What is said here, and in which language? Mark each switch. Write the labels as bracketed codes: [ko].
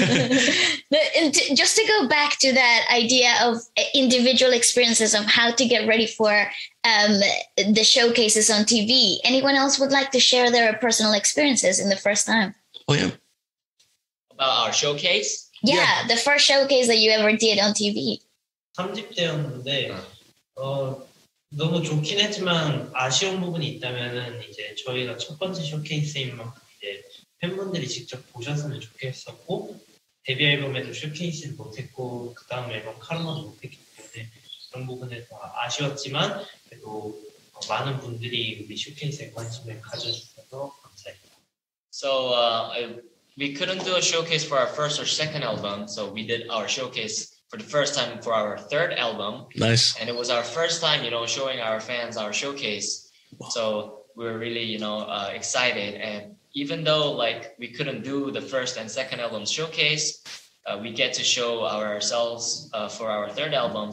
[en] Just to go back to that idea of individual experiences of how to get ready for the showcases on TV, anyone else would like to share their personal experiences in the first time? Oh yeah. About our showcase? Yeah, the first showcase that you ever did on TV. [ko] 30대였는데 너무 좋긴 했지만 아쉬운 부분이 있다면은 이제 저희가 첫 번째 쇼케이스인 만큼 이제 팬분들이 직접 보셨으면 좋겠었고 데뷔 앨범에도 쇼케이스를 못했고 그 다음 앨범 칼럼도 못했기 때문에 그런 부분에 더 아쉬웠지만 그래도 많은 분들이 우리 쇼케이스에 관심을 가져주셔서 감사합니다. [en] So we couldn't do a showcase for our first or second album, so we did our showcase for the first time for our third album. Nice. And it was our first time, you know, showing our fans our showcase. Wow. So we were really, you know, excited. And even though like we couldn't do the first and second album showcase, we get to show ourselves for our third album.